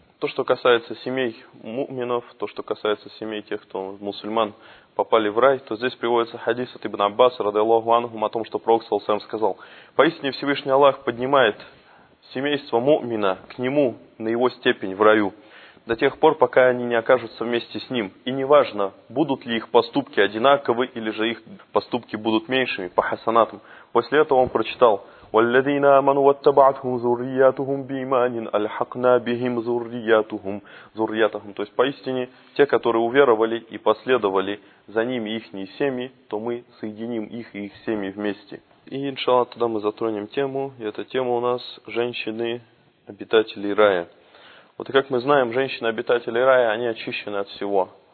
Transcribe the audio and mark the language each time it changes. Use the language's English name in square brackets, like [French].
[Russian] То, что касается семей муминов, то, что касается семей тех, кто мусульман, попали в рай, то здесь приводится хадис от Ибн Аббаса, радиаллаху анхум, о том, что пророк саллаллаху алейхи ва саллям сказал: «Поистине Всевышний Аллах поднимает семейство мумина к нему на его степень в раю до тех пор, пока они не окажутся вместе с ним. И неважно, будут ли их поступки одинаковы, или же их поступки будут меньшими по хасанатам». После этого он прочитал: [Arabic] وَالَّذِينَ آمَنُوا وَاتَّبَعَتْهُمْ ذُرِّيَّاتُهُمْ بِإِيمَانٍ أَلْحَقْنَا بِهِمْ ذُرِّيَّاتُهُمْ ذُرِّيَّاتُهُمْ. [Russian] То есть поистине те, которые уверовали и последовали за ними ихние семьи, то мы соединим их и их семьи вместе. И иншаллах тогда мы затронем тему, и эта тема у нас женщины обитателей рая. Вот и как мы знаем, женщины обитателей рая, они очищены от всего.